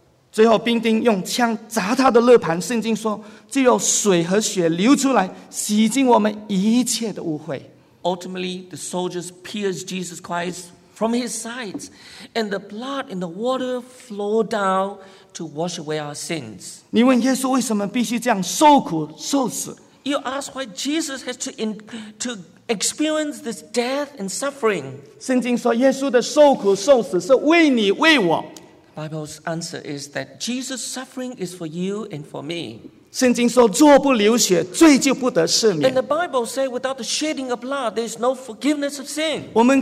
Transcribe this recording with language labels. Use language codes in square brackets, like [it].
[zh] 最后兵丁用枪砸他的肋盘，圣经说，就有水和血流出来，洗净我们一切的污秽。 [en] Ultimately, the soldiers pierced Jesus Christ from his sides, and the blood and the water flowed down to wash away our sins. [zh] 你问耶稣为什么必须这样受苦受死？ [en] You ask why Jesus has to experience this death and suffering. [zh] 圣经说，耶稣的受苦受死是为你为我。 [en] Bible's answer is that Jesus' suffering is for you and for me. [zh] 圣经说，若不流血，罪就不得赦免。 [en] And the Bible says, without the shedding of blood, there is no forgiveness of sin.